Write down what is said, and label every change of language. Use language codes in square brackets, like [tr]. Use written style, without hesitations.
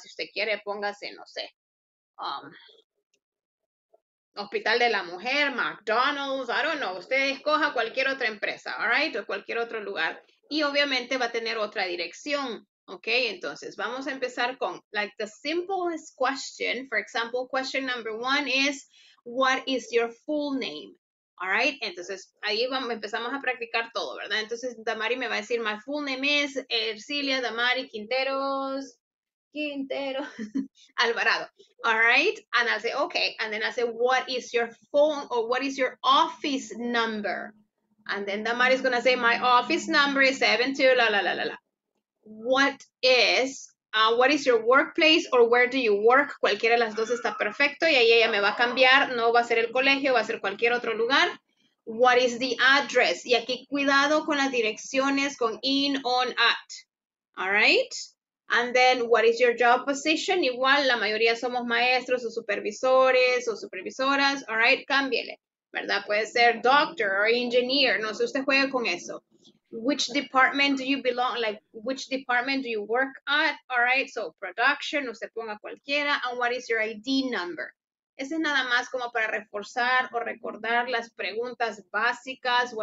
[es] Si usted quiere, póngase, no sé, Hospital de la Mujer, McDonald's, [en] I don't know. [es] Usted escoja cualquier otra empresa, [en] all right, [es] o cualquier otro lugar. Y obviamente va a tener otra dirección, ¿ok? Entonces, vamos a empezar con, [en] like, the simplest question. For example, question number one is, what is your full name? All right, [es] entonces ahí vamos, empezamos a practicar todo, ¿verdad? Entonces Damari me va a decir, [en] my full name is [es] Ercilia Damari Quinteros, Quintero, Alvarado. [en] All right, and I'll say, okay, and then I'll say, what is your phone or what is your office number? And then Damari is going to say, my office number is 72, la, la, la, la, la. What is your workplace or where do you work? [es] Cualquiera de las dos está perfecto y ahí ella me va a cambiar. No va a ser el colegio, va a ser cualquier otro lugar. [en] What is the address? [es] Y aquí cuidado con las direcciones, con in, on, at. [en] All right? And then what is your job position? [es] Igual, la mayoría somos maestros o supervisores o supervisoras. [en] All right? [es] Cámbiele, ¿verdad? Puede ser doctor or engineer. No sé, usted juegue con eso. [en] Which department do you belong, like, which department do you work at, all right? So, production, [es] usted ponga cualquiera, [en] and what is your ID number? [es] Ese es nada más como para reforzar o recordar las preguntas básicas.